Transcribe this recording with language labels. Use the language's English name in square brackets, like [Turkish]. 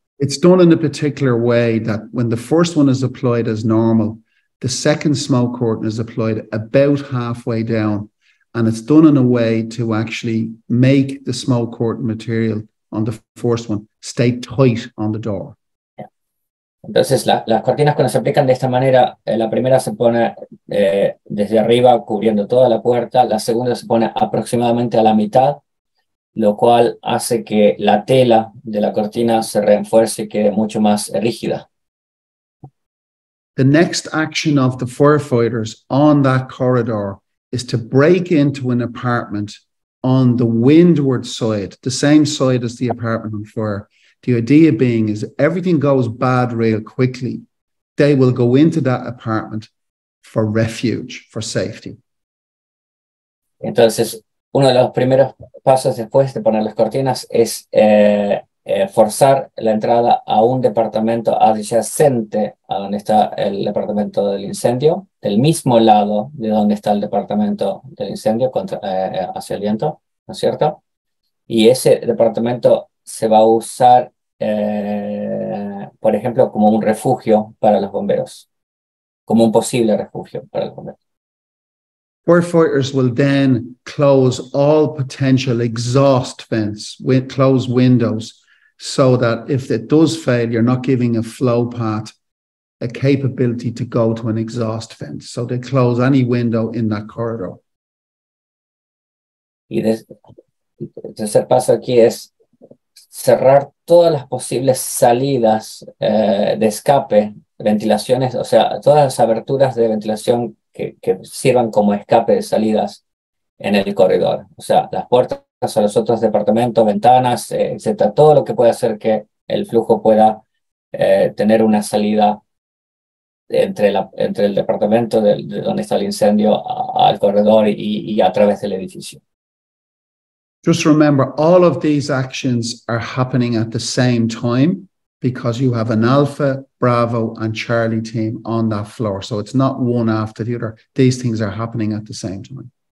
[English] It's done in a particular way that when the first one is applied as normal, the second smoke curtain is applied about halfway down, and it's done in a way to actually make the smoke curtain material on the first one stay tight on the door. Yeah. [Spanish] Entonces, las cortinas cuando se aplican de esta manera, la primera se pone desde arriba cubriendo toda la puerta, la segunda se pone aproximadamente a la mitad, lo cual hace que la tela de la cortina se reenfuerce y quede mucho más rígida. [English] The next action of the firefighters on that corridor is to break into an apartment on the windward side, the same side as the apartment on fire. The idea being is everything goes bad real quickly, they will go into that apartment for refuge, for safety. [Spanish] Entonces, uno de los primeros pasos después de poner las cortinas es forzar la entrada a un departamento adyacente a donde está el departamento del incendio, del mismo lado de donde está el departamento del incendio hacia el viento, ¿no es cierto? Y ese departamento se va a usar, por ejemplo, como un refugio para los bomberos, como un posible refugio para los bomberos. [English] Firefighters will then close all potential exhaust vents, close windows, so that if it does fail, you're not giving a flow path a capability to go to an exhaust vent. So they close any window in that corridor. [Spanish] Y el tercer paso aquí es cerrar todas las posibles salidas de escape, ventilaciones, o sea, todas las aberturas de ventilación que sirvan como escape de salidas en el corredor. O sea, las puertas a los otros departamentos, ventanas, etcétera, todo lo que pueda hacer que el flujo pueda tener una salida entre el departamento de donde está el incendio al corredor y a través del edificio. [English] Just remember, all of these actions are happening at the same time, because you have an Alpha, Bravo, and Charlie team on that floor. So it's not one after the other. These things are happening at the same time.